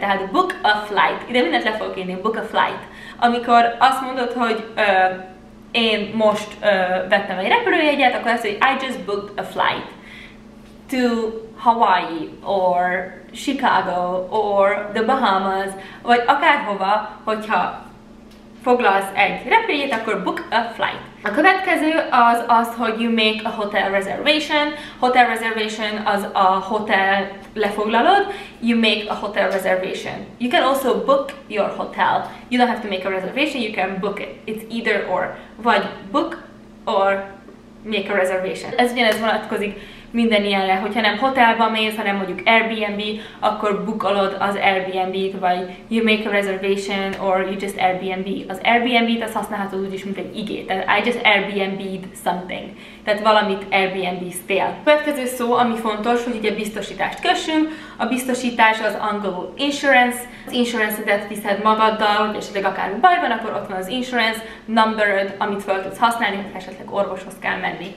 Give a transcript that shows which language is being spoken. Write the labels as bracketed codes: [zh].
[hu] Tehát book a flight. Ide mindent le fogok írni, book a flight. Amikor azt mondod, hogy én most vettem egy repülőjegyet, akkor azt, hogy [en] I just booked a flight to Hawaii, or Chicago, or the Bahamas, [hu] vagy akárhova, hogyha foglalsz egy repülőjegyet, akkor book a flight. A következő az, hogy [en] you make a hotel reservation. [hu] Hotel reservation az a hotel lefoglalod. [en] You make a hotel reservation. You can also book your hotel. You don't have to make a reservation, you can book it. It's either or. Vagy book or make a reservation. [hu] Ez ugyanez vonatkozik minden ilyenre. Hogyha nem hotelba mész, hanem mondjuk Airbnb, akkor bookolod az Airbnb-t, vagy you make a reservation, [en] or you just Airbnb. [hu] Az Airbnb-t azt használhatod úgy is, mint egy igét. [en] I just Airbnb-ed something. [hu] Tehát valamit Airbnb-ztél. Következő szó, ami fontos, hogy ugye biztosítást kössünk. A biztosítás az angolul insurance. Az insurance-edet viszed magaddal, hogy esetleg akár baj van, akkor ott van az insurance numbered, amit fel tudsz használni, ha esetleg orvoshoz kell menni.